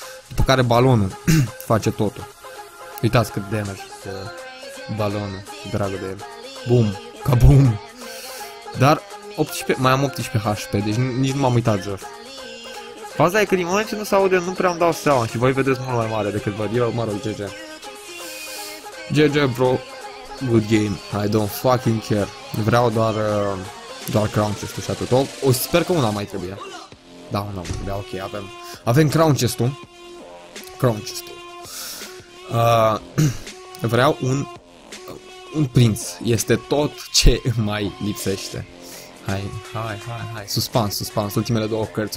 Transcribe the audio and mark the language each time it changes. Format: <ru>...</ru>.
<ro>După care balonul face totul. Uitați cât damage de balonul, dragă de el. Boom, kaboom. Dar 18, mai am 18 HP, deci nici nu m-am uitat jos. Faza e că din moment ce nu se aude, nu prea am dau seama și voi vedeți mult mai mare decât văd eu, mă rog, GG.</ro> <en>GG, bro, good game, I don't fucking care.</en> <ro>Vreau doar, doar crown chest-ul și atât. O, sper că una mai trebuie. Da, nu, da, ok, avem. Avem crown chest-ul. Crown chest. Vreau un prinț. Este tot ce mai lipsește. Hai. Suspans. Ultimele două cărți.</ro>